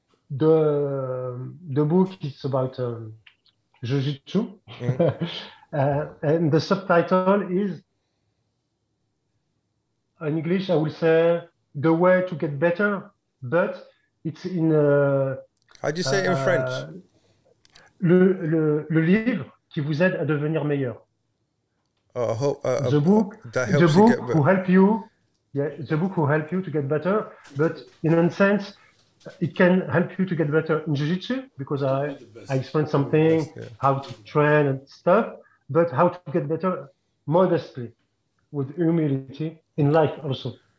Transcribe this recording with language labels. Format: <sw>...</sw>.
<en>the book is about Jiu-Jitsu. Mm. and the subtitle is, in English, I will say, The Way to Get Better, but it's in... How do you say it in French?</en> <fr>Le livre qui vous aide à devenir meilleur.</fr> <en>The book will help you to get better, but in a sense, it can help you to get better in jiu-jitsu because I explained something, how to train and stuff, but how to get better modestly, with humility, in life also.</en>